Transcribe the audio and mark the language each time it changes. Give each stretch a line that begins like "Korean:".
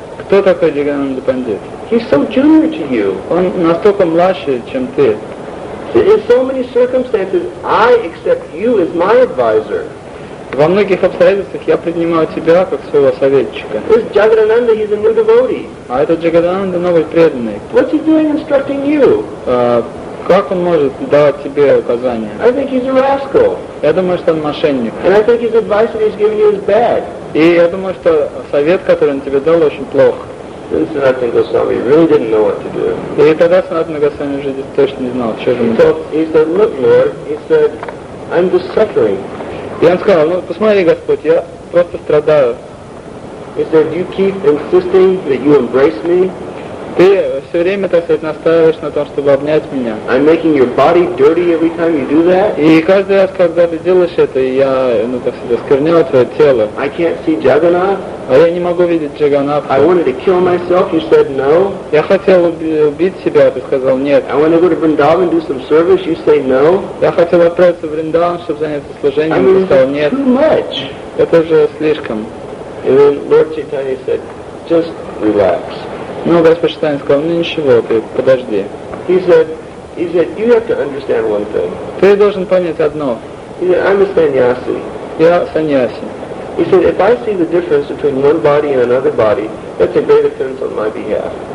Russian: Кто такой Джагадананда Пандит?
English: He's so junior to you.
Russian: Он настолько младше, чем ты.
English: In so many circumstances, I accept you as my advisor.
Russian: Во многих обстоятельствах я принимаю тебя как своего советчика.
English: This Jagadananda, he's a new devotee.
Russian: А этот Джагадананда новый преданный.
English: What's he doing instructing you?
Russian: Как он может давать тебе указания?
English: I think he's a rascal.
Russian: Я думаю, что он мошенник.
English: And I think his advice that he's giving you is bad.
Russian: И я думаю, что совет, который он тебе дал, очень плох.
English: Sanatana Goswami really didn't know what to do.
Russian: И тогда Sanatana Goswami уже точно не знал, что же ему делать.
English: He said, look, Lord, he said, I'm just suffering.
Russian: И он сказал, ну посмотри, Господь, я просто страдаю.
English: He said, you keep insisting that you embrace me.
Russian: Ты все время, так сказать, настаиваешь на том, чтобы обнять меня.
English: I'm making your body dirty every time you do that.
Russian: И каждый раз, когда ты делаешь это, я, ну так сказать, оскверняю твое тело.
English: I can't see Jagannath.
Russian: А я не могу видеть Джаганнатху.
English: I wanted to kill myself, you said no.
Russian: Я хотел убить себя, ты сказал нет.
English: I want to go to Vrindavan, do some service, you say no.
Russian: Я хотел отправиться в Вриндаван, чтобы заняться служением,
English: I mean,
Russian: ты сказал нет.
English: Too much.
Russian: Это уже слишком.
English: And then Lord Chaitanya said, just relax.
Russian: Ну, Господь Чайтанья сказал, ну ничего, ты подожди.
English: He said, you have to understand one thing.
Russian: Ты должен понять одно.
English: He said, I'm a sannyasi.
Russian: Я саньяси.
English: He said, if I see the difference between one body and another body, that's a great offense on my behalf.